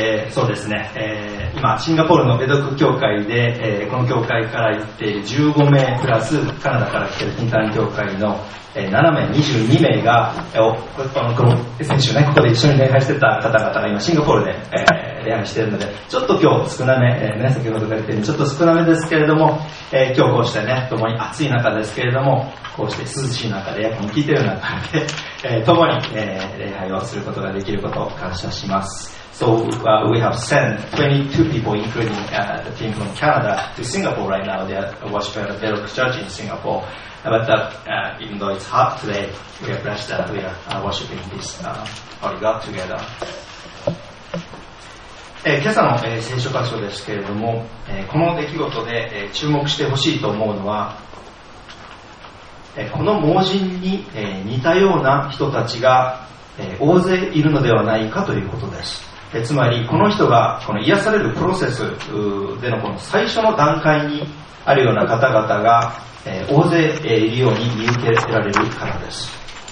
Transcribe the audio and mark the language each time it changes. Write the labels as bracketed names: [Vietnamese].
[Japanese] そうですね、今シンガポールのベドック教会で、この教会から行っている15名プラスカナダから来ているインターン教会の、7名22名が、先週ねここで一緒に礼拝してた方々が今シンガポールで、礼拝しているので、ちょっと今日少なめ、先ほど言ったようにちょっと少なめですけれども、今日こうしてね共に暑い中ですけれども、こうして涼しい中でエアコン効いている中で、共に、礼拝をすることができることを感謝します。 [English] So we have sent 22 people, including the team from Canada, to Singapore right now. They are worshiping at the Bedok Church in Singapore. But even though it's hot today, we are blessed that we are worshiping this Holy God together. [Japanese] 今朝の聖書箇所ですけれども、この出来事で注目してほしいと思うのは、この盲人に似たような人たちが大勢いるのではないかということです。つまりこの人がこの癒されるプロセスで の, この最初の段階にあるような方々が大勢いるように見受けられるからです。